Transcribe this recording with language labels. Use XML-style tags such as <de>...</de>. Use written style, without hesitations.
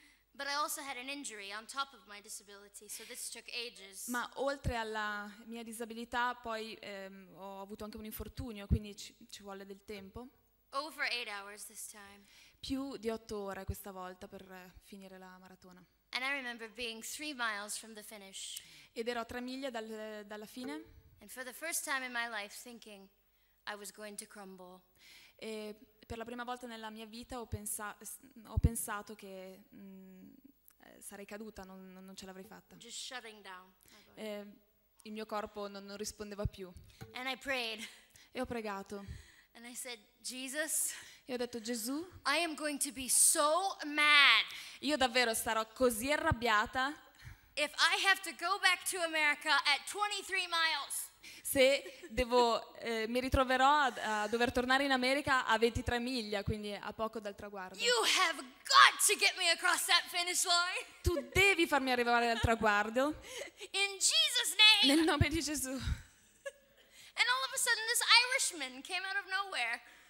<en>But I also had an injury on top of my disability, so this took ages.</en> <it>Ma oltre alla mia disabilità, poi ho avuto anche un infortunio, quindi ci vuole del tempo.</it> <en>Over 8 hours this time.</en> <it>Più di 8 ore questa volta per finire la maratona.</it> <en>And I remember being 3 miles from the finish.</en> <it>Ed ero a 3 miglia dalla fine.</it> <en>And for the first time in my life thinking I was going to crumble.</en> <it>E per la prima volta nella mia vita ho pensato che sarei caduta, non ce l'avrei fatta.</it> <en>Just shutting down.</en> <it>Il mio corpo non rispondeva più.</it> <en>And I prayed.</en> <it>E ho pregato.</it> <en>And I said, Jesus,</en> <it>e ho detto, Gesù,</it> <en>I am going to be so mad.</en> <it>Io davvero sarò così arrabbiata.</it> <en>If I have to go back to America at 23 miles.</en> <it>Se devo mi ritroverò a dover tornare in America a 23 miglia, quindi a poco dal traguardo.</it> <en>You have got to get me across that finish line.</en> <it>Tu devi farmi arrivare al traguardo.</it> <en>In Jesus name.</en> <it>Nel nome di Gesù.</it> <en>And all of a sudden this Irishman came out of nowhere.</en>